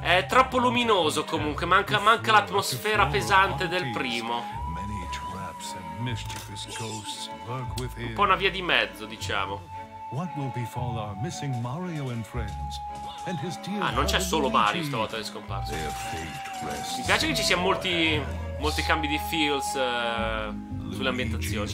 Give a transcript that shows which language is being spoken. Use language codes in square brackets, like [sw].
[it] È troppo luminoso comunque, manca l'atmosfera pesante del primo. [en] Mischievous ghosts lurk within. [it] Un po' una via di mezzo, diciamo. [en] What will befall our missing Mario and friends? And his dear. [it] Ah, non c'è solo Mario stavolta, è scomparso. Mi piace che ci siano molti cambi di feels sulle ambientazioni.